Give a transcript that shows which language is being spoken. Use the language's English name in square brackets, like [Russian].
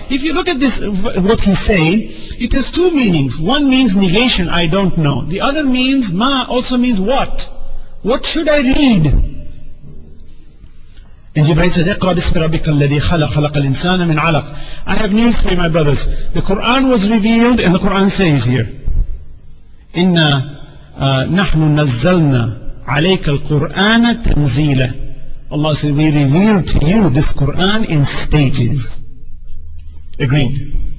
[English] If you look at this, what he's saying, it has two meanings. One means negation, I don't know. The other means, ما also means what? What should I read? And Jibreel says, [Arabic] اقرأ بسم ربك الذي خلق. خلق الإنسان من علق. [English] I have news for you, my brothers. The Quran was revealed, and the Quran says here, [Arabic] إِنَّا نَحْنُ نَزَّلْنَا عَلَيْكَ الْقُرْآنَ تَنْزِيلًا [English] Allah said, we revealed to you this Qur'an in stages. Agreed.